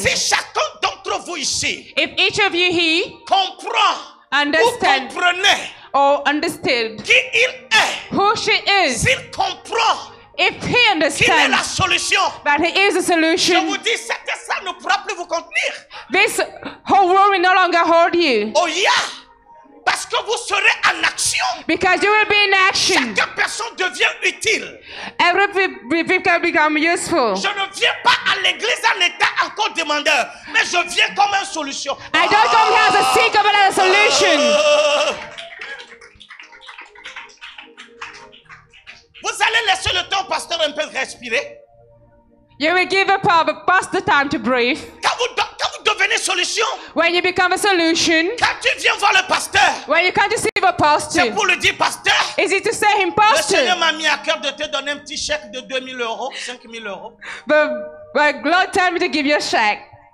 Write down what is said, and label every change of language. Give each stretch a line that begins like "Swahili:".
French: Si chacun d'entre vous ici,
English: if each of you here
French: comprend,
English: understand,
French: ou comprenez,
English: or understood,
French: qui il est,
English: who she is,
French: s'il comprend,
English: if he understands,
French: qu'il est la solution,
English: that he is a solution,
French: je vous dis, cette salle ne pourra plus vous contenir.
English: This whole world will no longer hold you.
French: Oh yeah. Parce que vous serez en action.
English: Because you will be in action.
French: Chaque personne devient utile.
English: Every people become useful.
French: Je ne viens pas à l'église en état encore demandeur, mais je viens comme une solution.
English: I don't come here as a seeker but as a solution.
French: Vous allez laisser le temps pasteur un peu respirer.
English: You will give a pastor time to breathe.
French: Quand vous devenez solution.
English: When you become a solution.
French: Quand tu viens voir le pasteur.
English: When you come to see the pastor.
French: C'est pour le dire pasteur.
English: Is it to say him pastor?
French: Le Seigneur m'a mis à cœur de te donner un petit chèque de 2000 euros, 5000 euros.
English: But God tell me to give you a check.